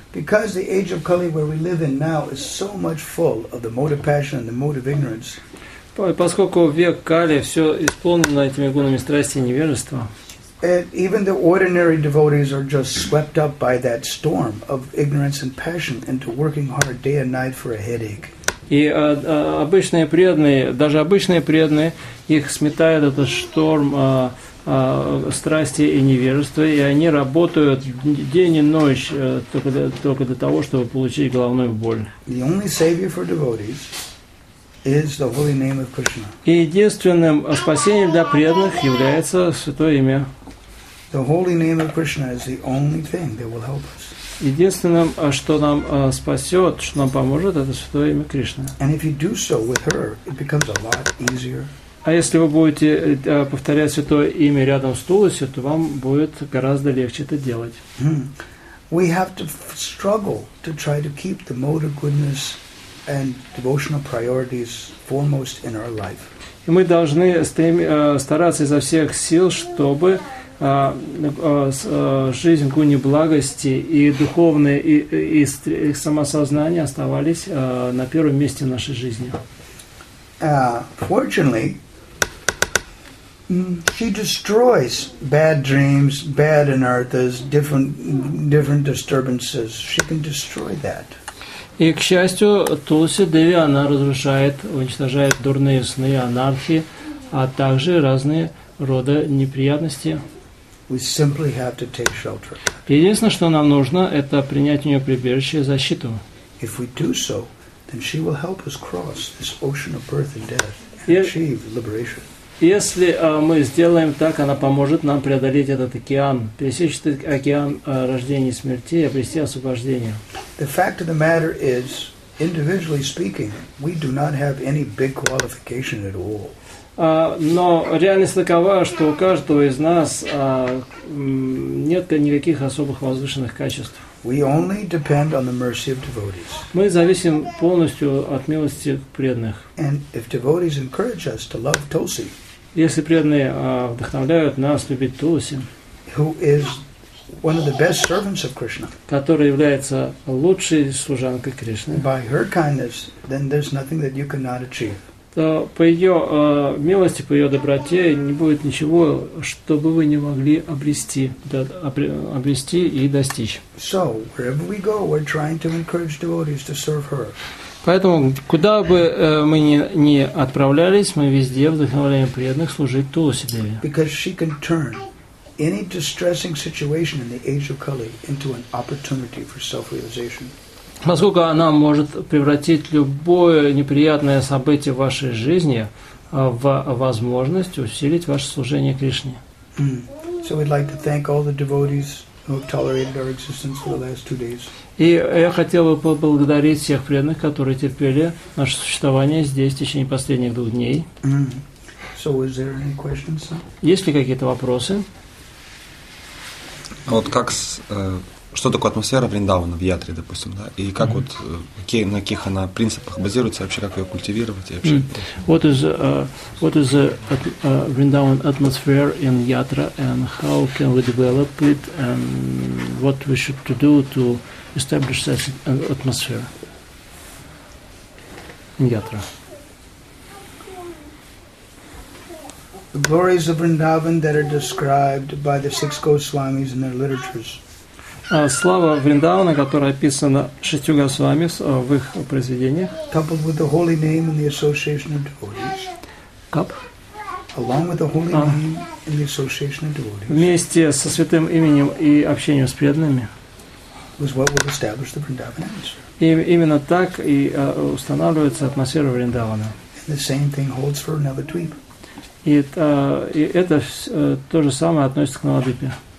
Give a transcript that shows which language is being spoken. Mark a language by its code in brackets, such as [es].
[en] Because the age of Kali where we live in now is so much full of the mode of passion and the mode of ignorance. [ru] Поскольку век Кали все исполнено этими гунами страсти и невежества. [en] Even the ordinary devotees are just swept up by that storm of ignorance and passion into working hard day and night for a headache. [ru] И обычные преданные, даже обычные преданные, их сметает этот шторм страсти и невежества, и они работают день и ночь только для того, чтобы получить головную боль. [en] The only savior for devotees is the holy name of Krishna. [ru] И единственным спасением для преданных является святое имя. [en] The holy name of Krishna is the only thing that will help us. [ru] Единственным, что нам спасет, что нам поможет, это святое имя Кришны. [en] And if you do so with her, it becomes a lot easier. [ru] А если вы будете повторять святое имя рядом с Туласи, то вам будет гораздо легче это делать. [en] We have to struggle to try to keep the mode of goodness and devotional priorities foremost in our life. [ru] И мы должны стараться изо всех сил, чтобы жизнь гуни благости и духовное и самосознание оставались на первом месте в нашей жизни. [en] Fortunately, she destroys bad dreams, bad anarthas, different disturbances. She can destroy that. [ru] И, к счастью, Тулси Деви, она разрушает, уничтожает дурные сны, анархии, а также разные рода неприятности. [en] We simply have to take shelter. [ru] Единственное, что нам нужно, это принять у нее прибежище и защиту. [en] If we do so, then she will help us cross this ocean of birth and death and achieve liberation. [ru] Если мы сделаем так, она поможет нам преодолеть этот океан, пересечь этот океан рождения и смерти и обрести освобождение. [en] The fact of the matter is, individually speaking, we do not have any big qualification at all. [ru] Но реальность такова, что у каждого из нас нет никаких особых возвышенных качеств. [en] We only depend on the mercy of devotees. [ru] Мы зависим полностью от милости преданных. [en] And if devotees encourage us to love Tulsi, [ru] если преданные вдохновляют нас любить Тулси, [en] who is one of the best servants of Krishna, [ru] которая является лучшей служанкой Кришны, [en] by her kindness, then there's nothing that you cannot achieve. [ru] То по ее милости, по ее доброте не будет ничего, что бы вы не могли обрести, да, обрести и достичь. [en] So, wherever we go, we're trying to encourage devotees to serve her. [ru] Поэтому, куда бы мы ни отправлялись, мы везде вдохновляем преданных служить Тулси Деви. [en] Because she can turn any distressing situation in the age of Kali into an opportunity for self-realization. [ru] Поскольку она может превратить любое неприятное событие в вашей жизни в возможность усилить ваше служение Кришне. Mm. [en] So we'd like to thank all the devotees who have tolerated our existence for the last two days. [ru] И я хотел бы поблагодарить всех преданных, которые терпели наше существование здесь в течение последних двух дней. [en] Mm. So is there any questions, sir? [ru] Есть ли какие-то вопросы? Вот как с... Что такое атмосфера Вриндавана в Ятре, допустим, да? И как на каких она принципах базируется, вообще как ее культивировать и вообще? [en] What is the Vrindavan atmosphere in Yatra and how can we develop it and what we should to do to establish such an atmosphere in Yatra? The glories of Vrindavan that are described by the six Goswamis in their literatures. [ru] Слава Вриндавана, которая описана шестью Госвами в их произведениях. [en] Coupled with the holy name and the association of devotees. Along with the holy name and the association of devotees. [ru] Вместе со святым именем и общением с преданными. [en] Was what would establish the Vrindavan atmosphere. [ru] И именно так и устанавливается атмосфера Вриндавана. [en] And the same thing holds for Navadvip. [ru] И это то же самое относится к Навадвипе.